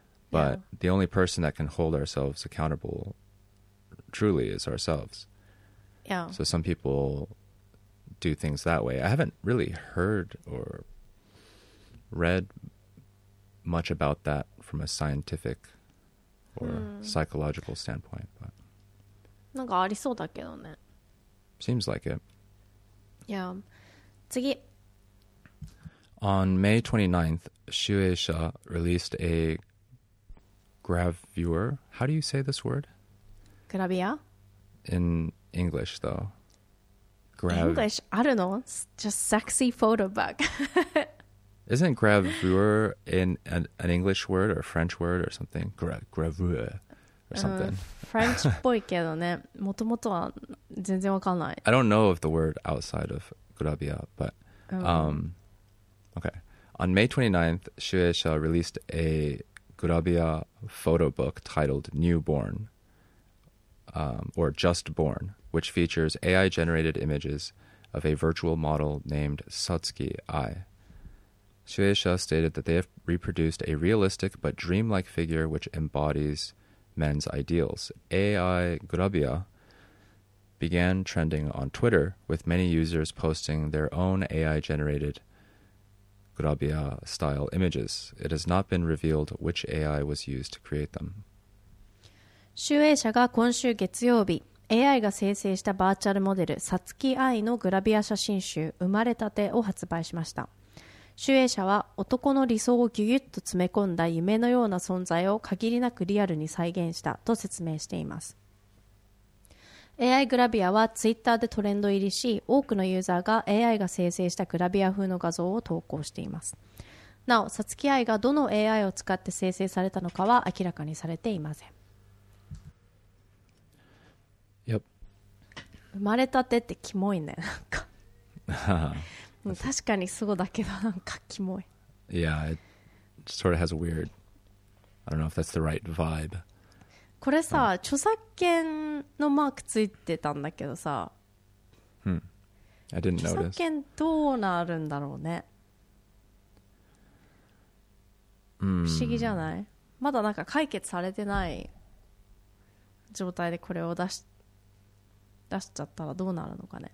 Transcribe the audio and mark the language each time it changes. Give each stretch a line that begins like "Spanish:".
English: But the only person that can hold ourselves accountable truly is ourselves. Yeah. So some people do things that way. I haven't really heard or read much about that from a scientific or psychological standpoint. But
Japanese: なんかありそうだけどね。
English: Seems like it. Yeah. 次。 On May 29th, Shueisha released a gravure. How do you say this word? Gravia? In English, though. English? I don't know. It's just sexy photo book. Isn't gravure an English word or a French word or something? Gravure or something.
Japanese: French っぽいけどね。もともとは全然わかんない。
English: I don't know of the word outside of gravia, but... okay. On May 29th, Shueisha released a Gurabia photo book titled Newborn, or Just Born, which features AI-generated images of a virtual model named Satsuki Ai. Shueisha stated that they have reproduced a realistic but dreamlike figure which embodies men's ideals. AI Gurabia began trending on Twitter, with many users posting their own AI-generated Gurabia style images. It has not been revealed which AI was used to create them.
Japanese: 集英社が今週月曜日、AI が生成したバーチャルモデル、サツキアイのグラビア写真集、生まれたてを発売しました。集英社は男の理想をギュギュッと詰め込んだ夢のような存在を限りなくリアルに再現したと説明しています。 AI グラビアはツイッターでトレンド入りし、多くのユーザーが AI が生成したグラビア風の画像を投稿しています。なお、サツキアイがどの AI を使って生成されたのかは明らかにされていません。
English: Yep.
Japanese: 生まれたてってキモいね、なんか。確かにそうだけど、なんかキモい。
English: Yeah, it sort of has a weird... I don't know if that's the right vibe.
Japanese: これさ、著作権のマークついてたんだけどさ、
English: I didn't notice.
Japanese: 著作権どうなるんだろうね。不思議じゃない？まだなんか解決されてない状態でこれを出しちゃったらどうなるのかね。